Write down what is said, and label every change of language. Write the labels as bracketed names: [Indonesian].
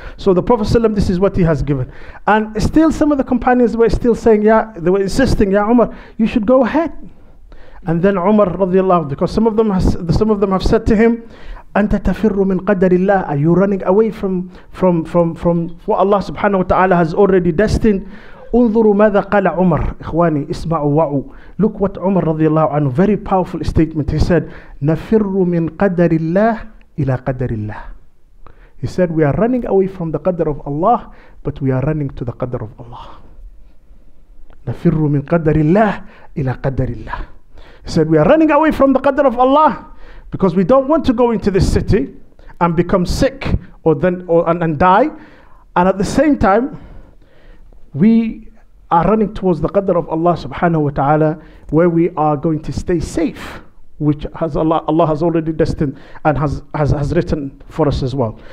[English] So the Prophet ﷺ, this is what he has given. And still some of the companions were still saying, yeah, they were insisting, yeah, Umar, you should go ahead. And then Umar radiallahu, because some of them have said to him, [Arabic] أَنْتَ تَفِرُّ مِنْ قَدَرِ اللَّهِ. [English] Are you running away from what Allah subhanahu wa ta'ala has already destined? [Arabic] انظروا ماذا قال عمر إخواني اسمعوا وعوا. [English] Look what Umar [Arabic] رضي الله عنه, [English] very powerful statement. He said, [Arabic] نفر من قدر الله إلى قدر الله. [English] He said, we are running away from the قدر of Allah, but we are running to the قدر of Allah. [Arabic] نفر من قدر الله إلى قدر الله. [English] He said, we are running away from the قدر of Allah because we don't want to go into this city and become sick and die, and at the same time we are running towards the qadr of Allah subhanahu wa ta'ala, where we are going to stay safe, which has Allah has already destined and has written for us as well.